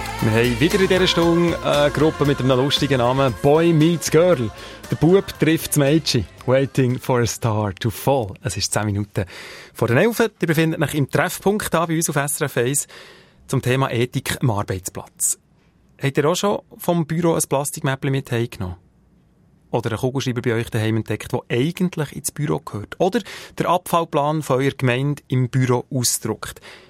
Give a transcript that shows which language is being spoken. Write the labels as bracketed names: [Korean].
[German] haben wieder in dieser Stunde eine Gruppe mit einem lustigen Namen Boy Meets Girl. Der Bub trifft das Mädchen. [English] Waiting for a star to fall. [German] Es ist 10 Minuten vor den 11. Ihr befindet euch im Treffpunkt hier bei uns auf SRF 1 zum Thema Ethik am Arbeitsplatz. Habt ihr auch schon vom Büro ein Plastikmäppchen mit heimgenommen? Oder einen Kugelschreiber bei euch daheim entdeckt, der eigentlich ins Büro gehört? Oder der Abfallplan von eurer Gemeinde im Büro ausdruckt?